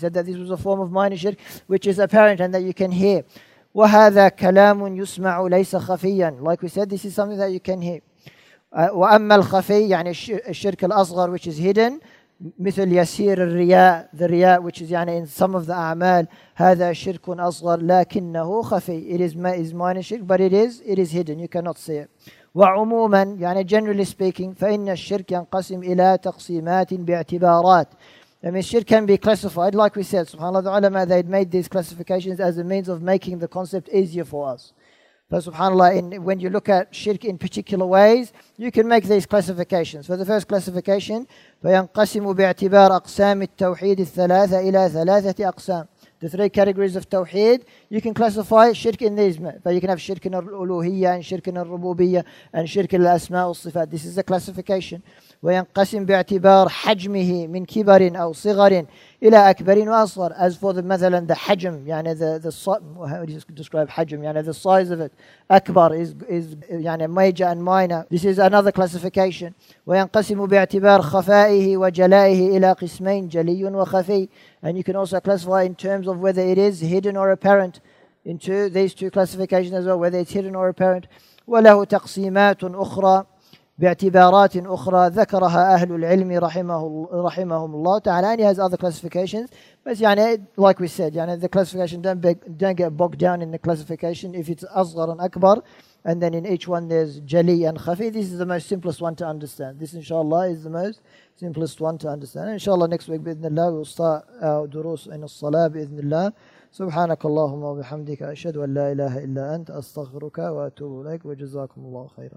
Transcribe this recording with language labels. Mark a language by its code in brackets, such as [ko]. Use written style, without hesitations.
[en] We said that this was a form of minor shirk, which is apparent and that you can hear. [ar] وَهَذَا كَلَامٌ يُسْمَعُ لَيْسَ خَفِيًّا. [en] Like we said, this is something that you can hear. [ar] وَأَمَّا الْخَفِيَّ, يعني الشرك الأصغر, [en] which is hidden, [ar] مثل يسير الرِّيَاء, the رِيَاء, [en] which is [ar] يعني [en] in some of the [ar] أعمال, هذا شرك أصغر لكنه خفي. [en] It is minor shirk, but it is hidden, you cannot see it. [ar] وعموما, يعني [en] generally speaking, [ar] فإن الشرك ينقسم إلى تقسيمات باعتبارات. [en] I mean, shirk can be classified, like we said, subhanAllah, the ulama, they'd made these classifications as a means of making the concept easier for us. But subhanAllah, when you look at shirk in particular ways, you can make these classifications. For the first classification, [ar] فينقسم باعتبار أقسام التوحيد الثلاثة إلى ثلاثة أقسام. [en] The three categories of tawheed, you can classify shirk in these. But you can have shirk in al-uluhiyya and shirk in al-rububiyya and shirk in al-asma al-sifat. This is a classification. [ar] وَيَنْقَسِمْ بِاعْتِبَارْ حَجْمِهِ مِنْ كِبَرٍ أَوْ صِغَرٍ إِلَىٰ أَكْبَرٍ وَأَصْغَرٍ. [en] As for the [ar] مثلا, [en] the حجم, [ar] يعني [en] how do you describe حجم, يعني the size of it. أكبر is [ar] يعني [en] major and minor. This is another classification. [ar] وَيَنْقَسِمُ بِاعْتِبَارْ خَفَائِهِ وَجَلَائِهِ إِلَىٰ قِسْمَيْنْ جَلِيٌ وَخَفِيٌ. [en] And you can also classify in terms of whether it is hidden or apparent, into these two classifications as well, whether it's hidden or apparent. [ar] وَلَهُ تَقْسِيمَاتٌ أُخْرَى باعتبارات أخرى ذكرها أهل العلم رحمهم الله تعالى. [en] And he has other classifications, but [ar] يعني [en] like we said, يعني the classification, don't get bogged down in the classification. If it's أصغر and أكبر, and then in each one there's جلي and خفي, this is the most simplest one to understand. This inshallah is the most simplest one to understand. Inshallah, next week [ar] بإذن الله [en] we'll start our دروس in الصلاة بإذن الله. [ar] سبحانك اللهم وبحمدك أشهد أن لا إله إلا أنت أستغفرك وأتوب إليك, وجزاكم الله خيرا.